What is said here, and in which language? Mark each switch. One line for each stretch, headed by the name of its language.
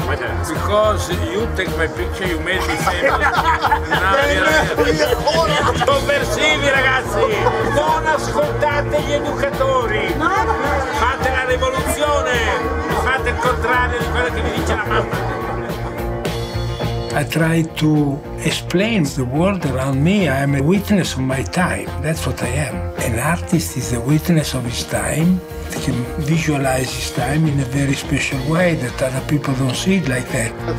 English: Because you take my picture, you made me famous.
Italian: Conversivi, ragazzi! Non ascoltate gli educatori! Fate la rivoluzione! Fate il contrario di quello che vi dice la mamma!
English: I try to explain the world around me. I am a witness of my time. That's what I am. An artist is a witness of his time. He can visualize his time in a very special way that other people don't see it like that.